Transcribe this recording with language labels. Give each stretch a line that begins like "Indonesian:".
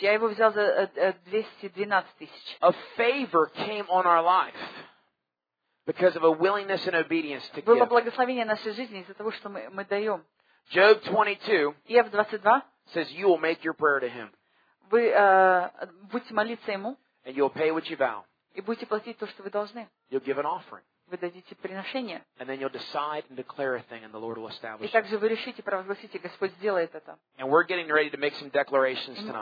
Russian: Я его взял за 212 тысяч.
English: A favor came on our life because of a willingness and obedience to give.
Russian: Было благословение нашей жизни из-за того, что мы даем.
English: Job 22.
Russian: Иов 22.
English: Says you will make your prayer to him.
Russian: Вы будете молиться ему.
English: And you'll pay what you vow.
Russian: И будете платить то, что вы должны.
English: You'll give an offering.
Russian: Вы дадите приношение.
English: And then you'll decide and declare a thing, and the Lord will establish it.
Russian: И также вы решите, провозгласите, Господь сделает это.
English: And we're getting ready to make some declarations tonight.